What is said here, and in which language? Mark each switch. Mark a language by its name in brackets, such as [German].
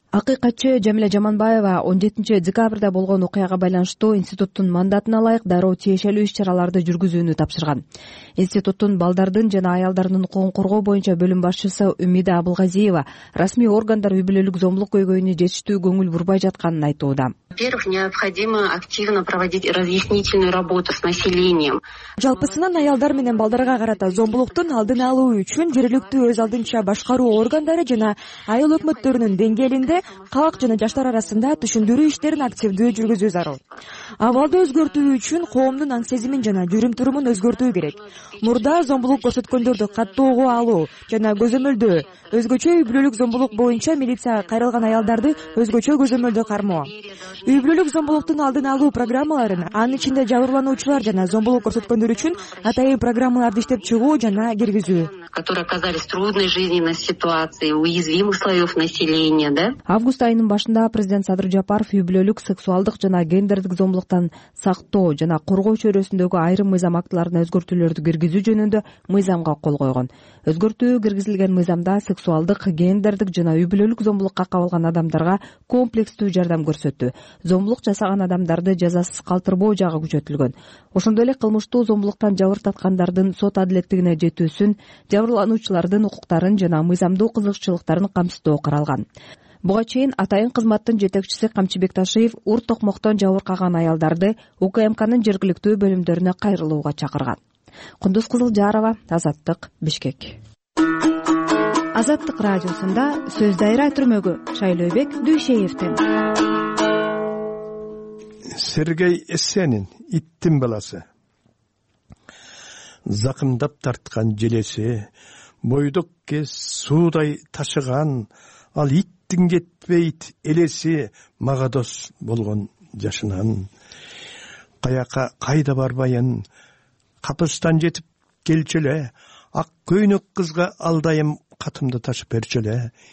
[Kyrgyz] Акыйкатчы Жамиле Жаманбаева 17-декабрда болгон окуяга байланыштуу институттун мандатына ылайык дароо тиешелүү иш чараларды жүргүзүүнү тапшырган. Институттун балдардын жана аялдардын укугун коргоо боюнча бөлүм башчысы Үмида Абылгазиева расмий органдар үй бүлөлүк зомбулук көйгөйүнө жетиштүү көңүл бурбай жатканын айтууда. [Russian] Во-первых, необходимо активно проводить разъяснительную работу с населением. [Kyrgyz] Жалпысынан аялдар менен балдарга карата зомбулуктун алдын алуу үчүн жергиликтүү өз алдынча башкаруу органдары жана айыл өкмөттөрүнүн деңгээлинде калк жана жаштар арасында түшүндүрүү иштерин активдүү жүргүзүү зарыл. Абалды өзгөртүү үчүн коомдун аң сезимин жана жүрүм турумун өзгөртүү керек. Мурда зомбулук көрсөткөндөрдү каттоого алуу жана көзөмөлдөө, өзгөчө үй бүлөлүк зомбулук боюнча милицияга кайрылган аялдарды өзгөчө көзөмөлдө кармоо. Үй бүлөлүк зомбулуктун алдын алуу программаларын, анын ичинде жабырлануучулар жана зомбулук көрсөткөндөр үчүн атайын программаларды иштеп чыгуу жана киргизүү. [Russian] Которые оказались в трудной жизненной ситуации уязвимых слоев населения, да? [Kyrgyz] Август айынын башында президент Садыр Жапаров үй бүлөлүк сексуалдык жана гендердик зомбулуктан сактоо жана коргоо чөйрөсүндөгү айрым мыйзам актыларына өзгөртүүлөрдү киргизүү жөнүндө мыйзамга кол койгон. Өзгөртүү киргизилген мыйзамда сексуалдык, гендердик жана үй бүлөлүк зомбулукка кабылган адамдарга комплекстүү жардам көрсөтүү, зомбулук жасаган адамдарды жазасыз калтырбоо жагы күчөтүлгөн. Ошондой эле кылмыштуу зомбулуктан жабыртаткандардын сот адилеттигине жетүүсүн, жабырлануучулардын укуктарын жана мыйзамдуу кызыкчылыктарын камсыздоо каралган. Буга чейин атайын кызматтын жетекчиси Камчыбек Ташиев ур токмоктон жабыркаган аялдарды УКМКнын жергиликтүү бөлүмдөрүнө кайрылууга чакырган. Кундуз Кызылжарова, Азаттык, Бишкек. Азаттык радиосунда сөз дайра түрмөгү Шайлообек Дүйшеевтен. Сергей Эссенин иттин баласы. Закымдап тарткан желеси, бойдук кез суудай ташыган, ал иттин кетпейт элеси, мага дос болгон жашынан. Каяка кайда барбайын, капыстан жетип келчеле, ак көйнөк кызга алдайым катымды ташып берчеле.